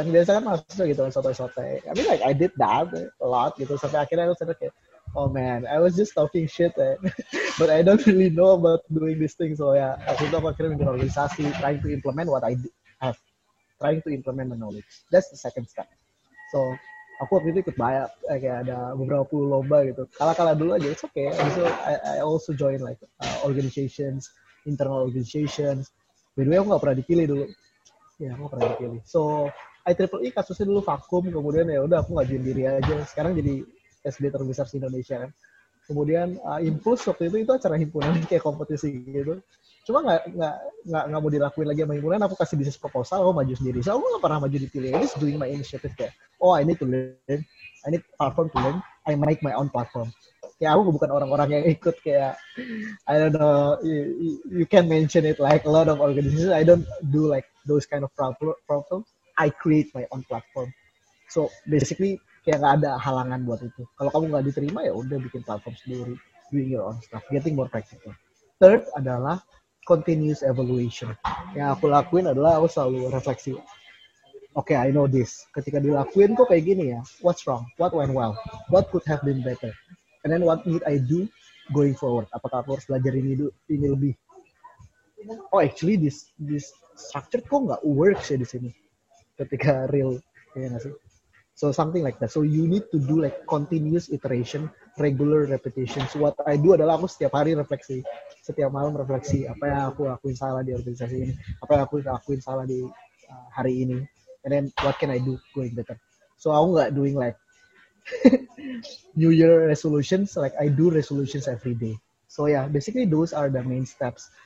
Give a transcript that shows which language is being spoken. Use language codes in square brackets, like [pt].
[id] Kan biasa kan maksudnya gitu kan sotai-sotai. [en] I mean like I did that a lot [id] gitu. Sampai akhirnya aku sadar kayak [en] oh man, I was just talking shit, eh. But I don't really know about doing this thing. So yeah, [id] aku akhirnya bikin organisasi, [en] trying to implement what I have, trying to implement the knowledge. That's the second step. [id] So aku waktu itu ikut banyak, kayak ada beberapa puluh lomba gitu. Kalah dulu aja, [en] it's okay. So I also join like organizations, internal organizations. [id] By the way, aku nggak pernah dipilih dulu. Yeah, aku pernah dipilih. So IEEE kasusnya dulu vakum, kemudian ya udah aku ngajuin diri aja. Sekarang jadi SD terbesar di Indonesia kan. Kemudian Impuls waktu itu acara himpunan kayak kompetisi gitu. Cuma gak mau dilakuin lagi sama himpunan, aku kasih bisnis proposal, aku maju sendiri. [en] So [id] aku gak pernah maju dipilih, [en] I'm just doing my initiative kayak, oh I need to learn, I need platform to learn, I make my own platform. [id] Kayak aku bukan orang-orang yang ikut kayak, [en] I don't know, you can mention it like a lot of organizations, I don't do like those kind of problems, I create my own platform. [id] So basically, kayak nggak ada halangan buat itu. Kalau kamu nggak diterima ya udah bikin platform sendiri, [en] doing your own stuff, getting more practical. Third adalah continuous evaluation. [id] Yang aku lakuin adalah aku selalu refleksi. [en] Oke, okay, I know this. [id] Ketika dilakuin kok kayak gini ya. [en] What's wrong? What went well? What could have been better? And then what need I do going forward? [id] Apakah aku harus belajar ini lebih? Oh, [en] actually this structure [id] kok nggak works ya di sini. Ketika real, kayak nggak sih? [en] So something like that. So you need to do like continuous iteration, regular repetition. So what I do [id] adalah aku setiap hari refleksi, setiap malam refleksi apa yang aku lakuin salah di organisasi ini, apa yang aku lakuin salah di hari ini. [en] And then what can I do going better? So [id] aku nggak [en] doing like New Year resolutions. Like I do resolutions every day. So yeah, basically those are the main steps.